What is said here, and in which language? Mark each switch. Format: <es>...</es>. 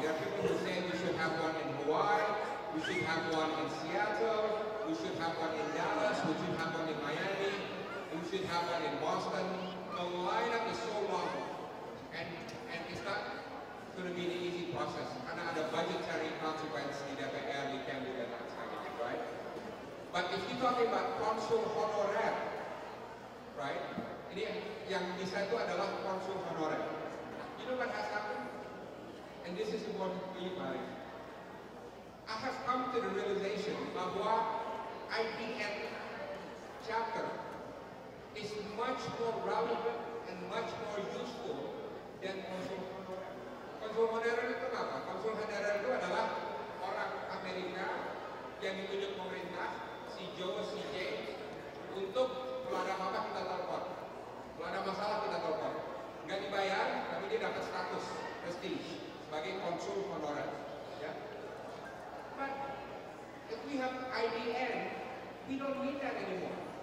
<en>There are people who say we should have one in Hawaii, we should have one in Seattle, we should have one in Dallas, we should have one in Miami, we should have one in Boston. The lineup is so long, and it's not going to be an easy process.</en> <id>Karena ada</id> <en>budgetary consequence</en> <id>di DPR,</id> <en>we can't do that, right? But if you're talking about consul honorer, right?</en> <id>Ini yang bisa itu adalah consul honorer.</id> <en>You know what has happened? And this is important for you, Marif. I have come to the realization</en> <id>bahwa</id> <en>IPN chapter is much more relevant and much more useful than consul honorer.</en> <id>Consul honorer itu apa? Consul honorer itu adalah orang Amerika yang ditunjuk pemerintah, si Joe, si James, untuk kalau ada apa-apa kita telepon, kalau ada masalah kita telepon, nggak dibayar, tapi dia dapat status prestige sebagai konsul honorer.</id> <en>Yeah. But if we have IDN, we don't need that anymore.</en>